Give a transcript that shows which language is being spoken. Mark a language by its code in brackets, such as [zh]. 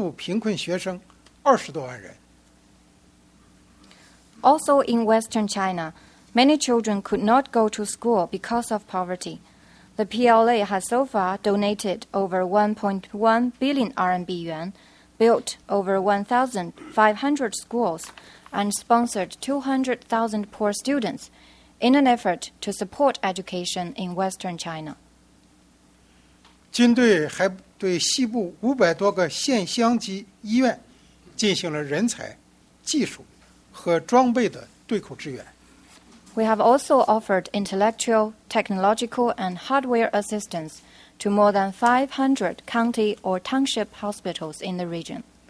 [zh] 西部不少孩子上学困难，军队的广大官兵捐助11亿多元人民币，用于支持西部发展教育事业，援助援建中小学1500多所，资助贫困学生20多万人。 [en] Also in western China, many children could not go to school because of poverty. The PLA has so far donated over 1.1 billion RMB yuan, built over 1,500 schools, and sponsored 200,000 poor students in an effort to support education in western China. [zh] 军队还对西部500多个县乡级医院进行了人才、技术和装备的对口支援。 [en] We have also offered intellectual, technological, and hardware assistance to more than 500 county or township hospitals in the region.